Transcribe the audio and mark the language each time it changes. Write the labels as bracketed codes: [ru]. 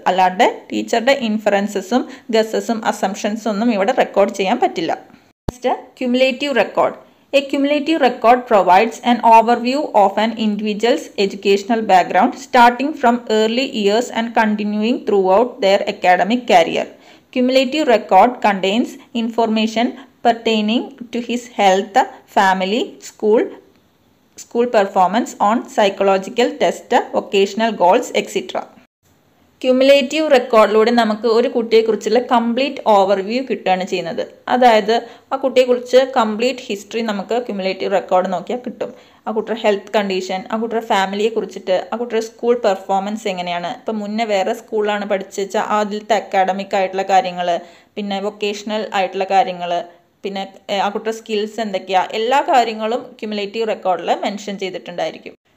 [ml] അല്ലാണ്ട് ടീച്ചറുടെ ഇൻഫറൻസസും ഗസ്സസും അസംഷൻസും ഒന്നും ഇവിടെ റെക്കോർഡ് ചെയ്യാൻ പറ്റില്ല. [en] Next, cumulative record. A cumulative record provides an overview of an individual's educational background starting from early years and continuing throughout their academic career. Cumulative record contains information pertaining to his health, family, school performance on psychological test, vocational goals, etc. [ml] Cumulative റെക്കോർഡിലൂടെ നമുക്ക് ഒരു കുട്ടിയെക്കുറിച്ചുള്ള complete overview കിട്ടുകയാണ് ചെയ്യുന്നത്. അതായത് ആ കുട്ടിയെക്കുറിച്ച് complete history നമുക്ക് cumulative record നോക്കിയാൽ കിട്ടും. ആ കുട്ടിയുടെ ഹെൽത്ത് കണ്ടീഷൻ, ആ കുട്ടിയുടെ ഫാമിലിയെ കുറിച്ചിട്ട്, ആ കുട്ടിയുടെ സ്കൂൾ പെർഫോമൻസ് എങ്ങനെയാണ്, ഇപ്പം മുന്നേ വേറെ സ്കൂളിലാണ് പഠിച്ചുവെച്ചാൽ അതിലത്തെ അക്കാഡമിക് ആയിട്ടുള്ള കാര്യങ്ങൾ, പിന്നെ വൊക്കേഷണൽ ആയിട്ടുള്ള കാര്യങ്ങൾ, പിന്നെ ആ കുട്ടിയുടെ സ്കിൽസ് എന്തൊക്കെയാ, എല്ലാ കാര്യങ്ങളും ക്യുമുലേറ്റീവ് റെക്കോർഡിൽ മെൻഷൻ ചെയ്തിട്ടുണ്ടായിരിക്കും.